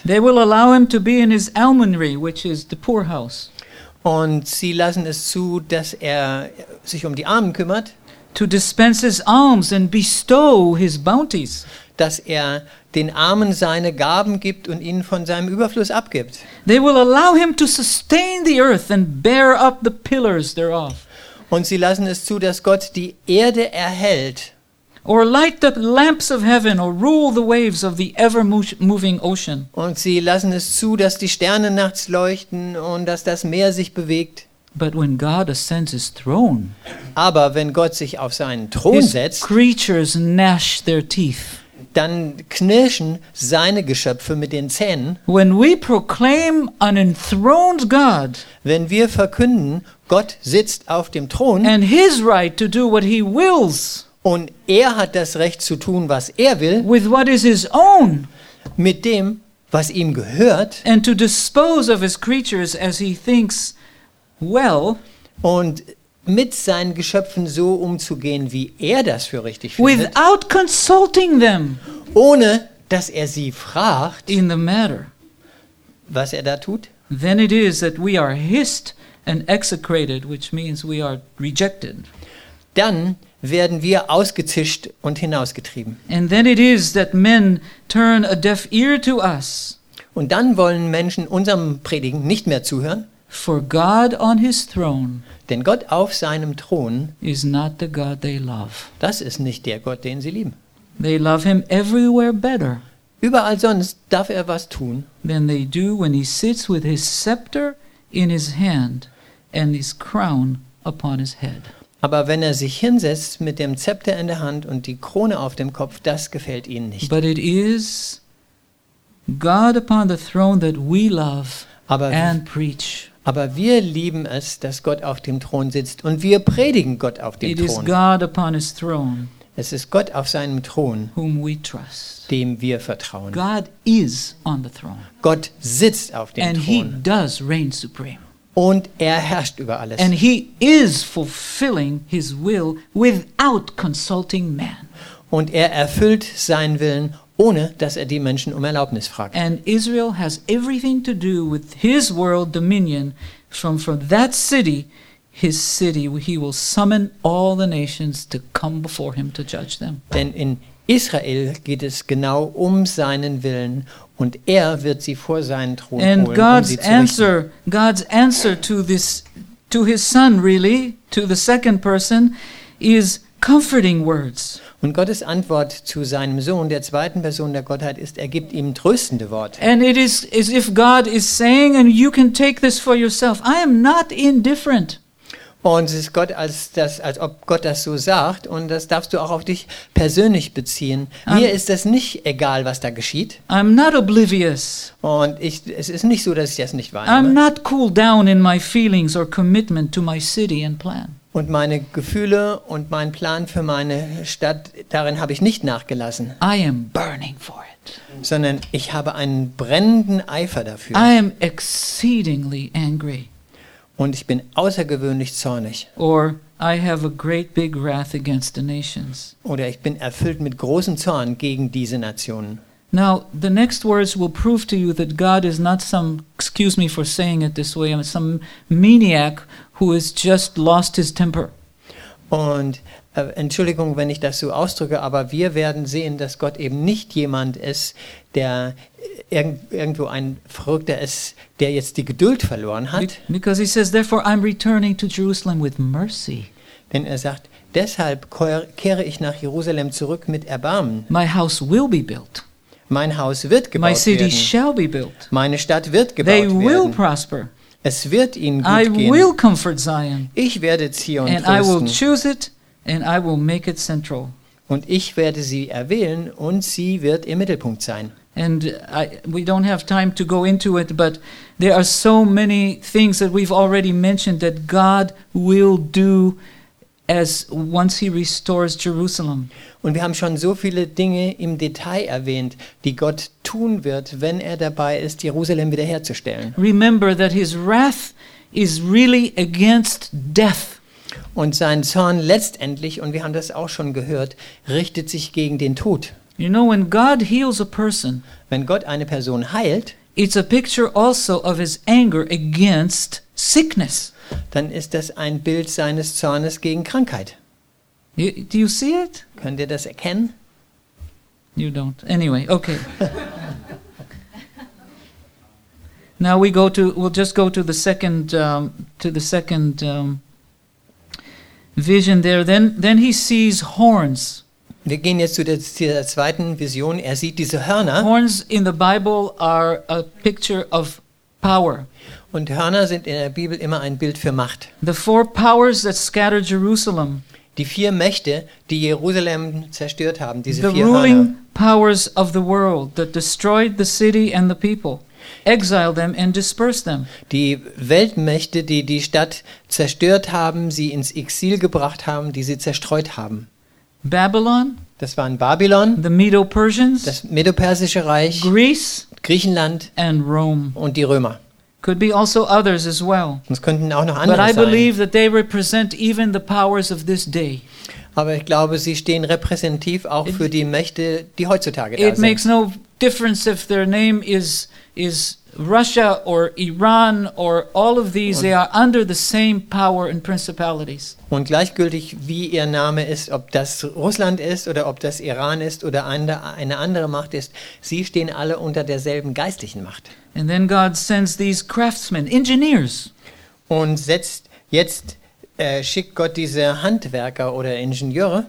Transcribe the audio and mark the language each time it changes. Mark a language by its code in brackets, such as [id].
[en] They will allow him to be in his almonry, which is the poor house. [de] Und sie lassen es zu, dass er sich um die Armen kümmert. [en] To dispense his alms and bestow his bounties. [de] dass er den Armen seine Gaben gibt und ihnen von seinem Überfluss abgibt. [en] They will allow him to sustain the earth and bear up the pillars thereof. [de] Und sie lassen es zu, dass Gott die Erde erhält. [en] Or light the lamps of heaven or rule the waves of the ever moving ocean. [de] Und sie lassen es zu, dass die Sterne nachts leuchten und dass das Meer sich bewegt. [en] But when God ascends his throne, [de] aber wenn Gott sich auf seinen Thron setzt, [en] creatures gnash their teeth. [de] Dann knirschen seine Geschöpfe mit den Zähnen. [en] When we proclaim an enthroned God, [de] wenn wir verkünden, Gott sitzt auf dem Thron, [en] and his right to do what he wills, [de] und er hat das Recht zu tun, was er will, [en] with what is his own, [de] mit dem, was ihm gehört, [en] and to dispose of his creatures as he thinks well, [de] und mit seinen Geschöpfen so umzugehen, wie er das für richtig findet, [en] without consulting them, [de] ohne dass er sie fragt, [en] in the matter, [de] was er da tut, [en] then it is that we are hissed and execrated, which means we are rejected. [de] Dann werden wir ausgezischt und hinausgetrieben. [en] And then it is that men turn a deaf ear to us. [de] Und dann wollen Menschen unserem Predigen nicht mehr zuhören. [en] For God on his throne, [de] denn Gott auf seinem Thron, [en] is not the God they love. [de] Das ist nicht der Gott, den sie lieben. [en] They love him everywhere better. [de] Überall sonst darf er was tun. [en] Than they do when he sits with his scepter in his hand and his crown upon his head. [de] Aber wenn er sich hinsetzt mit dem Zepter in der Hand und die Krone auf dem Kopf, das gefällt ihnen nicht. [en] But it is God upon the throne that we love and preach. [de] Aber wir lieben es, dass Gott auf dem Thron sitzt und wir predigen Gott auf dem [en] it [de] Thron. [en] Is God upon his throne, [de] es ist Gott auf seinem Thron, [en] whom we trust. [de] Dem wir vertrauen. [en] God is on the throne. [de] Gott sitzt auf dem [en] and [de] Thron. [en] He does reign supreme. [de] Und er herrscht über alles. [en] And he is fulfilling his will without consulting man. [de] Und er erfüllt seinen Willen, ohne dass er die Menschen um Erlaubnis fragt. [en] And Israel has everything to do with his world dominion from that city, his city, he will summon all the nations to come before him to judge them. [de] Denn in Israel geht es genau um seinen Willen und er wird sie vor seinen Thron holen, [en] and God's [de] um sie zu [en] answer, [de] richten. [en] God's answer to this, to his son really, to the second person, is comforting words. [de] Und Gottes Antwort zu seinem Sohn, der zweiten Person der Gottheit, ist, er gibt ihm tröstende Worte. [en] And it is as if God is saying, and you can take this for yourself, I am not indifferent. [de] Und es ist Gott als das, als ob Gott das so sagt, und das darfst du auch auf dich persönlich beziehen. Mir ist das nicht egal, was da geschieht. [en] I'm not oblivious. [de] Und ich, es ist nicht so, dass ich das nicht wahrnehme. [en] I'm not cooled down in my feelings or commitment to my city and plan. [de] Und meine Gefühle und mein Plan für meine Stadt, darin habe ich nicht nachgelassen. [en] I am burning for it. [de] Sondern ich habe einen brennenden Eifer dafür. [en] I am exceedingly angry. [de] Und ich bin außergewöhnlich zornig. [en] Or I have a great big wrath against the nations. [de] Oder ich bin erfüllt mit großem Zorn gegen diese Nationen. [en] Now the next words will prove to you that God is not some, excuse me for saying it this way, some maniac who has just lost his temper. [de] Und Entschuldigung, wenn ich das so ausdrücke, aber wir werden sehen, dass Gott eben nicht jemand ist, der irgendwo ein Verrückter ist, der jetzt die Geduld verloren hat. [en] Because he says, therefore I'm returning to Jerusalem with mercy. [de] Denn er sagt, deshalb kehre ich nach Jerusalem zurück mit Erbarmen. [en] My house will be built. [de] Mein Haus wird gebaut werden. [en] My city [de] werden. [en] Shall be built. [de] Meine Stadt wird gebaut [en] they [de] werden. [en] They will prosper. [de] Es wird ihnen gut [en] I [de] gehen. [en] I will comfort Zion. [de] Ich werde Zion [en] and [de] trösten. [en] And I will choose it. And I will make it central. [de] Und ich werde sie erwählen und sie wird im Mittelpunkt sein. [en] And we don't have time to go into it, but there are so many things that we've already mentioned that God will do as once he restores Jerusalem. [de] Und wir haben schon so viele Dinge im Detail erwähnt, die Gott tun wird, wenn er dabei ist, Jerusalem wiederherzustellen. [en] Remember that his wrath is really against death. [de] Und sein Zorn letztendlich, und wir haben das auch schon gehört, richtet sich gegen den Tod. [en] You know, when God heals a person, [de] wenn Gott eine Person heilt, [en] it's a picture also of his anger against sickness. [de] Dann ist das ein Bild seines Zornes gegen Krankheit. [en] Do you see it? [de] Könnt ihr das erkennen? [en] You don't. Anyway, okay. Now we go to, we'll just go to the second vision there. Then he sees horns. [de] Wir gehen jetzt zu der, der zweiten Vision. Er sieht diese Hörner. [en] Horns in the Bible are a picture of power. [de] Und Hörner sind in der Bibel immer ein Bild für Macht. [en] The four powers that scattered Jerusalem. [de] Die vier Mächte, die Jerusalem zerstört haben, diese [en] the [de] vier [en] ruling [de] Hörner. [en] Powers of the world that destroyed the city and the people, exiled them and dispersed them. [de] Die Weltmächte, die die Stadt zerstört haben, sie ins Exil gebracht haben, die sie zerstreut haben. [en] Babylon, [de] das waren Babylon, [en] the Medo-Persians, [de] das Medo-Persische Reich, [en] Greece, [de] Griechenland [en] and Rome. [de] Und die Römer. [en] Could be also others as well. [de] Es könnten auch noch andere sein. [en] But I believe [de] sein. [en] That they represent even the powers of this day. [de] Aber ich glaube, sie stehen repräsentativ auch für die Mächte, die heutzutage da [en] it [de] sind. [en] It makes no difference if their name is Russia or Iran or all of these, they are under the same power and principalities. [de] Und gleichgültig, wie ihr Name ist, ob das Russland ist oder ob das Iran ist oder eine andere Macht ist, sie stehen alle unter derselben geistlichen Macht. [en] And then God sends these craftsmen, engineers. [de] Und setzt jetzt schickt Gott diese Handwerker oder Ingenieure.